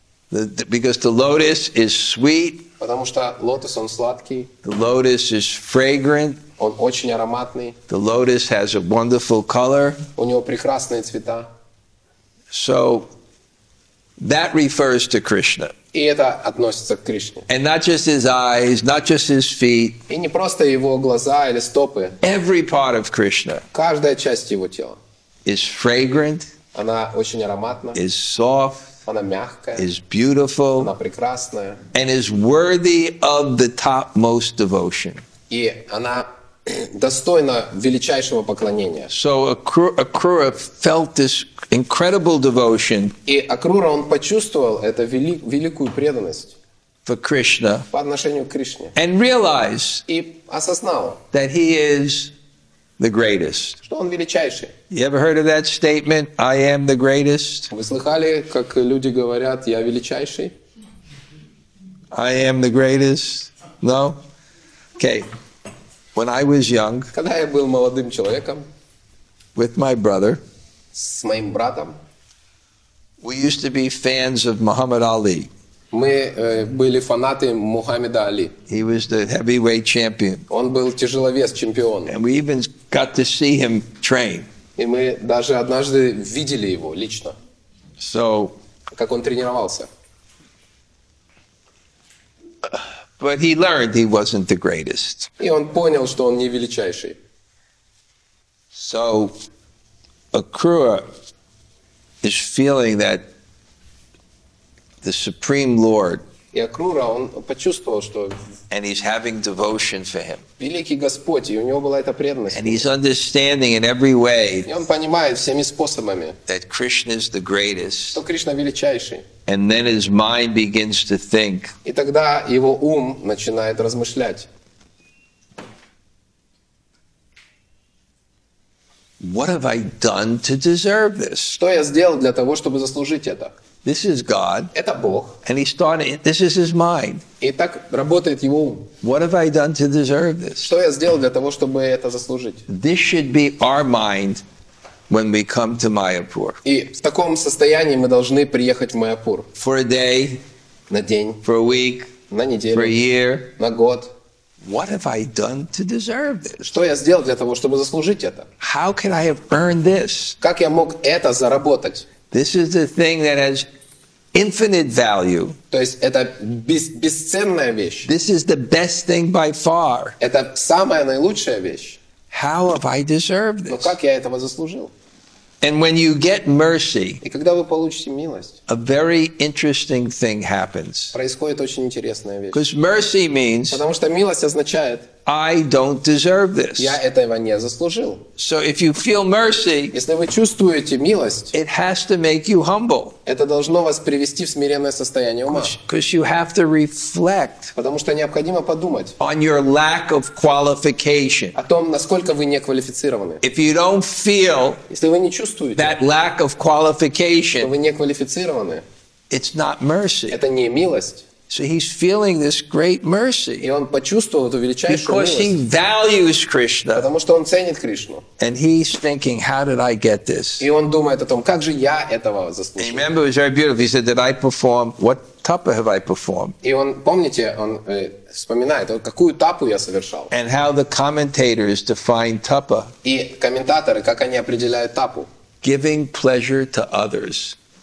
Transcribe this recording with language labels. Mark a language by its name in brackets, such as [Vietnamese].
[English] Because the lotus is sweet. [Russian] Потому что лотос он сладкий. [English] The lotus is fragrant. [Russian] Он очень ароматный. [English] The lotus has a wonderful color. [Russian] У него прекрасные цвета. [English] So that refers to Krishna. [Russian] И это относится к Кришне. [English] And not just his eyes, not just his feet. [Russian] И не просто его глаза или стопы. [English] Every part of Krishna. [Russian] Каждая часть его тела. [English] Is fragrant. [Russian] Она очень ароматна. [English] Is soft. [Russian] Она мягкая, [English] is beautiful, [Russian] она прекрасная, [English] and is worthy of the topmost devotion. [Russian] И она достойна величайшего поклонения. [English] So Akrura felt this incredible devotion. [Russian] И Акрура он почувствовал эту великую преданность [English] for Krishna, [Russian] по отношению к Кришне, [English] and realized, [Russian] и осознал, [English] that he is the greatest. [Russian] Что он величайший. [English] You ever heard of that statement, I am the greatest? [Russian] Вы слыхали, как люди говорят, я величайший? [English] I am the greatest? No? Okay. When I was young, [Russian] когда я был молодым человеком, [English] with my brother, [Russian] с моим братом, [English] we used to be fans of Muhammad Ali. [Russian] Мы были фанаты Мухаммеда Али. [English] He was the heavyweight champion. [Russian] Он был тяжеловес чемпион. [English] And we even got to see him train. [Russian] И мы даже однажды видели его лично. [English] So, [Russian] как он тренировался. [English] But he learned he wasn't the greatest. [Russian] И он понял, что он не величайший. [English] So Akrura is feeling that the Supreme Lord, [Russian] и Акрура, он почувствовал, что [English] and he's having devotion for him. [Russian] Великий Господь, и у него была эта преданность. [English] And he's understanding in every way, [Russian] и он понимает всеми способами, [English] that Krishna is the greatest. [Russian] Что Кришна величайший. [English] And then his mind begins to think. [Russian] И тогда его ум начинает размышлять. [English] What have I done to deserve this? [Russian] Что я сделал для того, чтобы заслужить это? [English] This is God. [Russian] Это Бог. [English] And he started, this is his mind. [Russian] И так работает его ум. [English] What have I done to deserve this? [Russian] Что я сделал для того, чтобы это заслужить? [English] This should be our mind when we come to Mayapur. [Russian] И в таком состоянии мы должны приехать в Майяпур. [English] For a day. [Russian] На день. [English] For a week. [Russian] На неделю. [English] For a year. [Russian] На год. [English] What have I done to deserve this? [Russian] Что я сделал для того, чтобы заслужить это? [English] How can I have earned this? [Russian] Как я мог это заработать? [English] This is the thing that has infinite value. [Russian] То есть это бесценная вещь. [English] This is the best thing by far. [Russian] Это самая наилучшая вещь. [English] How have I deserved this? [Russian] Но как я этого заслужил? [English] And when you get mercy, [Russian] и когда вы получите милость, [English] a very interesting thing happens. [Russian] Происходит очень интересная вещь. [English] Because mercy means, [Russian] потому что милость означает, [English] I don't deserve this. [Russian] Я этого не заслужил. [English] So if you feel mercy, [Russian] если вы чувствуете милость, [English] it has to make you humble. [Russian] Это должно вас привести в смиренное состояние ума. [English] Because you have to reflect, [Russian] потому что необходимо подумать, [English] on your lack of qualification. [Russian] О том, насколько вы не квалифицированы. [English] If you don't feel, [Russian] если вы не чувствуете, [English] that lack of qualification, [Russian] что вы не квалифицированы, [English] it's not mercy. [Russian] Это не милость. [English] So he's feeling this great mercy. [Russian] И он почувствовал эту величайшую милость. [English] Because he values Krishna. [Russian] Потому что он ценит Кришну. [English] And he's thinking, how did I get this? [Russian] И он думает о том, как же я этого заслужил. [English] And remember, it was very beautiful. He said, did I perform? What tapa have I performed? [Russian] И он, помните, он вспоминает, какую тапу я совершал. [English] And how the commentators define tapa. [Russian] И комментаторы, как они определяют тапу. [English] Giving pleasure to others.